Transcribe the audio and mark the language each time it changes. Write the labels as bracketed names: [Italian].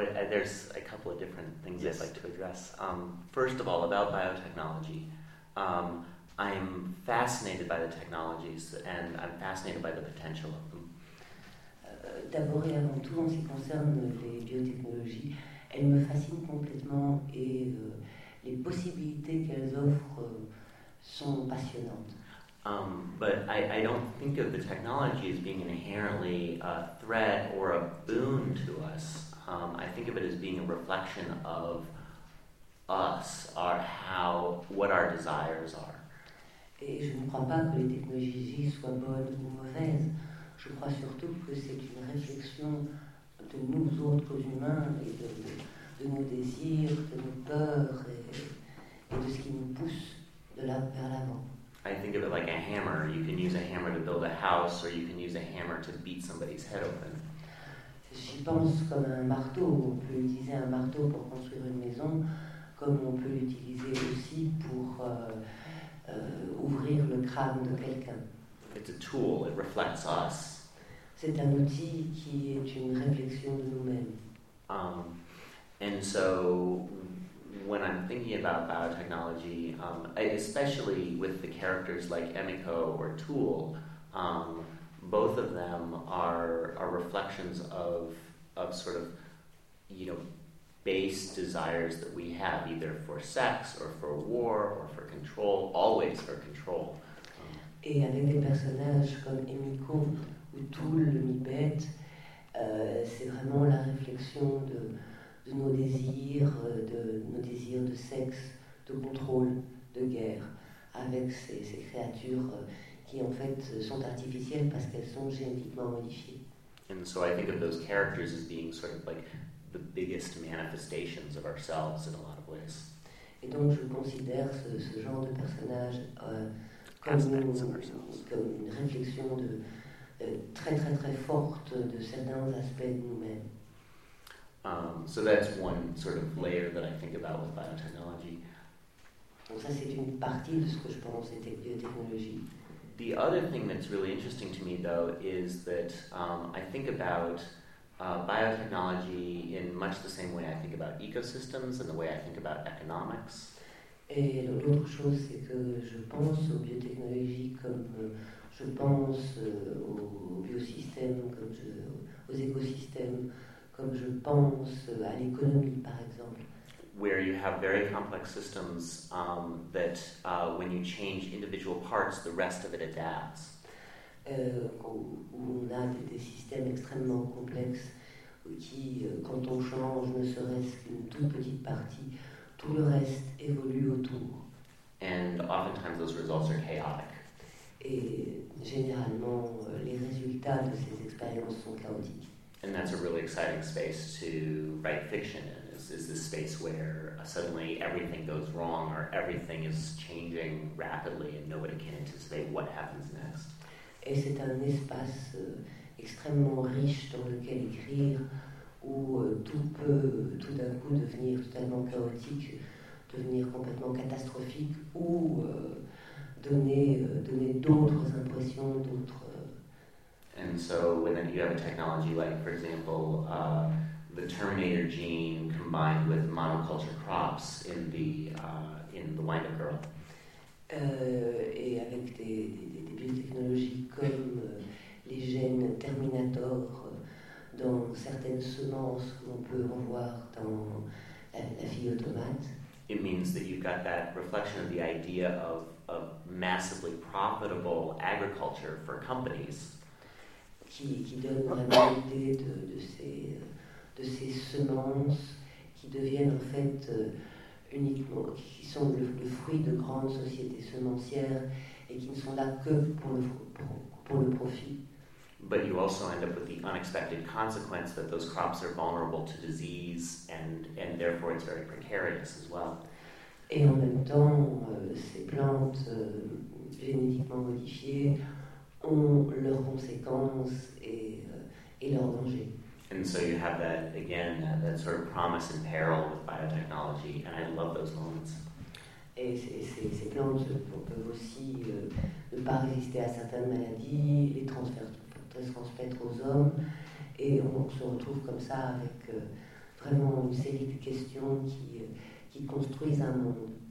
[English] There's a couple of different things, yes, I'd like to address. First of all, about biotechnology. I'm fascinated by the technologies and I'm fascinated by the potential of them. [French] D'abord et avant tout, en ce qui concerne les biotechnologies, elles me fascinent complètement et les possibilités qu'elles offrent sont passionnantes. [English] But I don't think of the technology as being inherently a threat or a boon to us. I think of it as being a reflection of us, our how, what our desires are. [French] Et je ne crois pas que les technologies soient bonnes ou mauvaises. Je crois surtout que c'est une réflexion de nous autres humains et de nos désirs, de nos peurs et de ce qui nous pousse de là vers l'avant. [English] I think of it like a hammer. You can use a hammer to build a house, or you can use a hammer to beat somebody's head open. [French] J'y pense comme un marteau. On peut utiliser un marteau pour construire une maison, comme on peut l'utiliser aussi pour ouvrir le crâne de quelqu'un. [English] It's a tool. It reflects us. [French] C'est un outil qui est une réflexion de nous-mêmes. [English] And so, when I'm thinking about biotechnology, especially with the characters like Emiko or Tool, both of them are reflections of sort of, you know, base desires that we have, either for sex or for war or for control, always for control. [French] Et avec des personnages comme Emiko ou Tool, le mi-bête, c'est vraiment la réflexion de nos désirs, de nos désirs de sexe, de contrôle, de guerre, avec ces créatures qui en fait sont artificielles parce qu'elles sont génétiquement modifiées. [English] And so I think of those characters as being sort of like the biggest manifestations of ourselves in a lot of ways. [French] Et donc je considère ce genre de personnage comme une réflexion de très très très forte de certains aspects de nous-mêmes. [English] So that's one sort of layer that I think about with biotechnology. [French] Donc ça, c'est une partie de ce que je pense des biotechnologies. [English] The other thing that's really interesting to me, though, is that I think about biotechnology in much the same way I think about ecosystems and the way I think about economics. [French] Et l'autre chose, c'est que je pense aux biotechnologies comme je pense aux biosystèmes, aux écosystèmes. Comme je pense à l'économie, par exemple. [English] Where you have very complex systems that when you change individual parts, the rest of it adapts. [French] Où on a des systèmes extrêmement complexes qui, quand on change, ne serait-ce qu'une toute petite partie, tout le reste évolue autour. [English] And oftentimes those results are chaotic. [French] Et généralement, les résultats de ces expériences sont chaotiques. [English] And that's a really exciting space to write fiction in, is this space where suddenly everything goes wrong or everything is changing rapidly and nobody can anticipate what happens next. [French] Et c'est un espace extrêmement riche dans lequel écrire, où tout peut tout d'un coup devenir totalement chaotique, devenir complètement catastrophique, ou donner d'autres impressions, d'autres... [English] And so when you have a technology like, for example, the Terminator gene combined with monoculture crops in the Wind-Up Girl. [French] Et avec des biotechnologies comme les gènes Terminator dans certaines semences qu'on peut voir dans la fille automate. [English] It means that you've got that reflection of the idea of massively profitable agriculture for companies. [French] Qui donne vraiment l'idée de ces semences qui deviennent en fait uniquement, qui sont le fruit de grandes sociétés semencières et qui ne sont là que pour le profit. [English] But you also end up with the unexpected consequence that those crops are vulnerable to disease and therefore it's very precarious as well. [French] Et en même temps, ces plantes génétiquement modifiées ont leurs conséquences et leurs dangers. [English] And so you have that again, that sort of promise and peril with biotechnology, and I love those moments. [French] Et ces plantes peuvent aussi ne pas résister à certaines maladies, les transmettre aux hommes, et on se retrouve comme ça avec vraiment une série de questions qui construisent un monde.